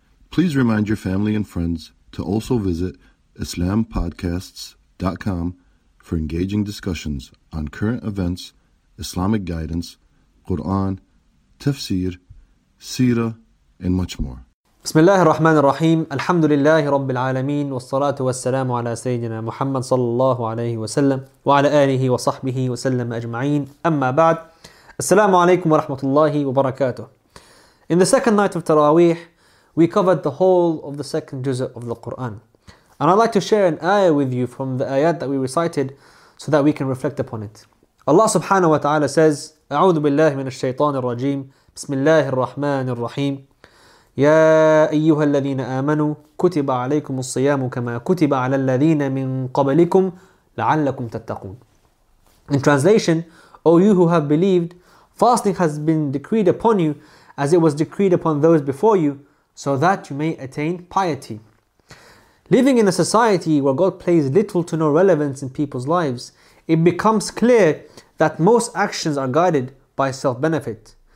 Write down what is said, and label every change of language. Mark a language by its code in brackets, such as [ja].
[en] Please remind your family and friends to also visit IslamPodcasts.com for engaging discussions on current events, Islamic guidance, Quran, tafsir, seerah, and much more. [ar] بسم الله الرحمن الرحيم الحمد لله رب العالمين والصلاة والسلام على سيدنا محمد صلى الله عليه وسلم وعلى آله وصحبه وسلم أجمعين أما بعد السلام عليكم ورحمة الله وبركاته. [en] In the second night of Taraweeh, we covered the whole of the second juz of the Quran, and I'd like to share an ayah with you from the ayat that we recited so that we can reflect upon it. Allah subhanahu wa ta'ala says, [ar] أعوذ بالله من الشيطان الرجيم بسم الله الرحمن الرحيم يا أيها الذين آمنوا كتب عليكم الصيام كما كتب على الذين من قبلكم لعلكم تتقون. [en] In translation, O you who have believed, fasting has been decreed upon you as it was decreed upon those before you, so that you may attain piety. Living in a society where God plays little to no relevance in people's lives, it becomes clear that most actions are guided by self-benefit.